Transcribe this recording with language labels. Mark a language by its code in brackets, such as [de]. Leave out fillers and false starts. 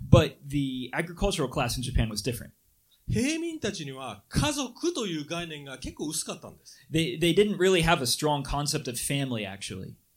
[en] But the agricultural class in Japan was different. [ja] 平民たちには家族という概念が結構薄かったんです。 [en] They didn't really have a strong concept of family, actually.